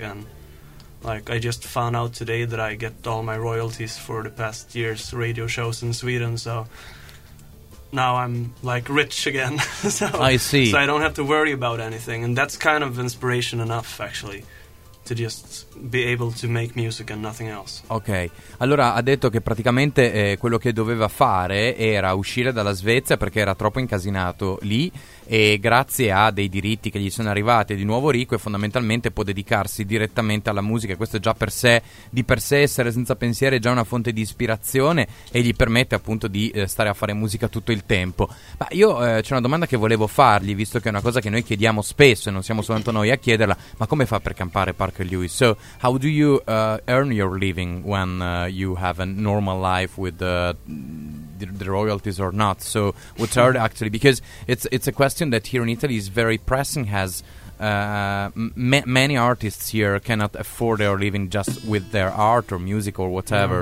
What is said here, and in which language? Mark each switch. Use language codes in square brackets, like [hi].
[en] And like, I just found out today that I get all my royalties for the past year's radio shows in Sweden. So now I'm like rich again. So I see. So I don't have to worry about anything, and that's kind of inspiration enough, actually, to just be able to make music and nothing else. [it] Ok, allora ha detto che praticamente quello che doveva fare era uscire dalla Svezia perché era troppo incasinato lì, e grazie a dei diritti che gli sono arrivati di nuovo ricco, e fondamentalmente può dedicarsi direttamente alla musica. Questo è già di per sé essere senza pensieri è già una fonte di ispirazione, e gli permette appunto di stare a fare musica tutto il tempo. Ma io c'è una domanda che volevo fargli, visto che è una cosa che noi chiediamo spesso e non siamo soltanto noi a chiederla: ma come fa per campare Parker Lewis? [en] So how do you earn your living when you have a normal life with the royalties or not? So what are actually, because it's a question that here in Italy is very pressing, has many artists here cannot afford their living just with their art or music or whatever.